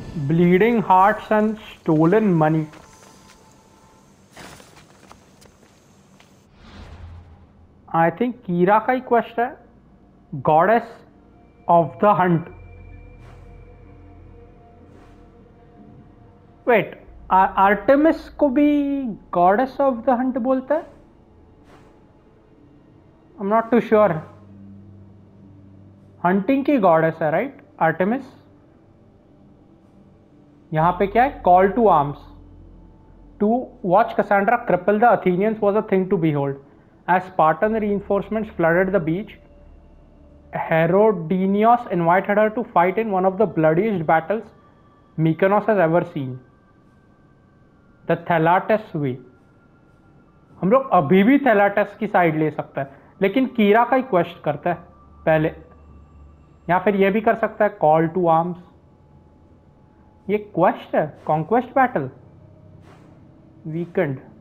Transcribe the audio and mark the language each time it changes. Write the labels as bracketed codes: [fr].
[en] Bleeding hearts and stolen money. [hi] I think कीरा का ही quest है, goddess of the Hunt. Wait, Artemis को भी goddess of the Hunt बोलते हैं? [en] I am not too sure. [hi] Hunting की goddess है right Artemis. यहां पे क्या है? [en] Call to arms to watch Cassandra cripple the Athenians was a thing to behold. As Spartan reinforcements flooded the beach, Herodinios invited her to fight in one of the bloodiest battles Mykonos has ever seen, the Thalates Way. [hi] हम लोग अभी भी Thalates की side ले सकते हैं, लेकिन कीरा का ही क्वेश्चन करता है पहले, या फिर यह भी कर सकता है कॉल टू आर्म्स। ये क्वेश्चन है कॉन्क्वेस्ट बैटल वीकेंड।